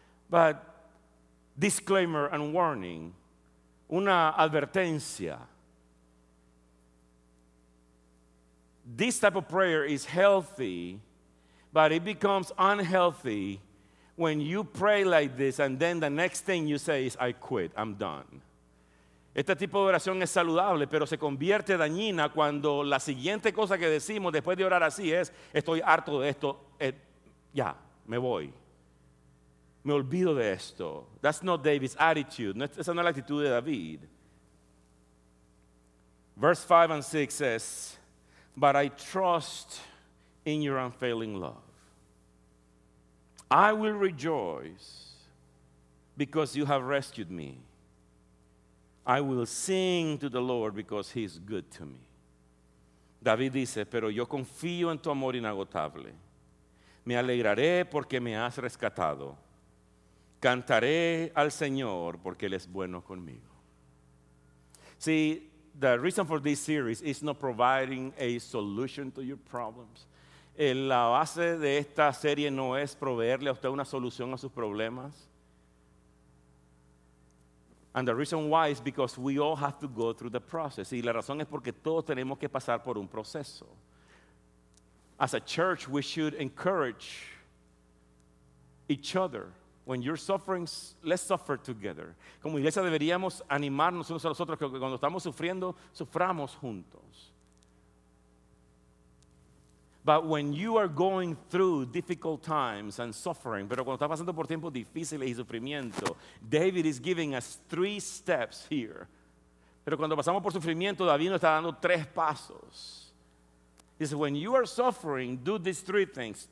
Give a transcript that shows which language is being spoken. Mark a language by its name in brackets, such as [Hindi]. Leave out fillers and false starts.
[English] But disclaimer and warning, [Spanish] una advertencia. [English] This type of prayer is healthy, but it becomes unhealthy when you pray like this and then the next thing you say is, I quit, I'm done. [Spanish] Este tipo de oración es saludable, pero se convierte dañina cuando la siguiente cosa que decimos después de orar así es, estoy harto de esto, ya, me voy. Me olvido de esto. [English] That's not David's attitude. [Spanish] No, esa no es la actitud de David. [English] Verse 5 and 6 says, but I trust in your unfailing love. I will rejoice because you have rescued me. I will sing to the Lord because he is good to me. [Spanish] David dice, pero yo confío en tu amor inagotable. Me alegraré porque me has rescatado. Cantaré al Señor porque Él es bueno conmigo. [English] See, the reason for this series is not providing a solution to your problems. [Spanish] La base de esta serie no es proveerle a usted una solución a sus problemas. [English] And the reason why is because we all have to go through the process. [Spanish] Y la razón es porque todos tenemos que pasar por un proceso. [English] As a church, we should encourage each other. When you're suffering, let's suffer together. [Spanish] Como iglesia deberíamos animarnos unos a los otros, que cuando estamos sufriendo, suframos juntos. [English] But when you are going through difficult times and suffering, [Spanish] pero cuando estás pasando por tiempos difíciles y sufrimiento, [English] David is giving us three steps here. [Spanish] Pero cuando pasamos por sufrimiento, David nos está dando tres pasos. [English] He says, when you are suffering, do these three things.